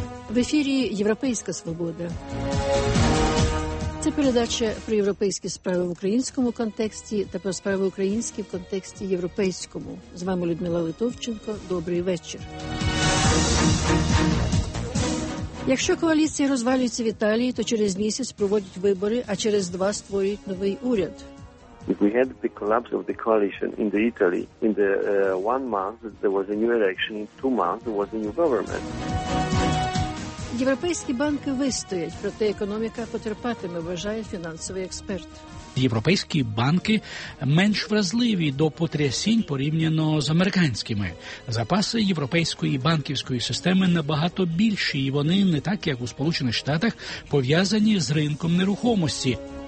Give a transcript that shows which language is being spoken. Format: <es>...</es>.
<uk>В ефірі «Європейська свобода». Це передача про європейські справи в українському контексті та про справи українські в контексті європейському. З вами Людмила Литовченко. Добрий вечір. Якщо коаліція розвалюється в Італії, то через місяць проводять вибори, а через два створюють новий уряд.</uk> <en>If we had the collapse of the coalition in the Italy, in the one month there was a new election, in two months there was a new government.</en> <uk>Європейські банки вистоять, проте економіка потерпатиме, вважає фінансовий експерт. Європейські банки менш вразливі до потрясінь порівняно з американськими. Запаси європейської банківської системи набагато більші, і вони не так, як у Сполучених Штатах, пов'язані з ринком нерухомості.</uk>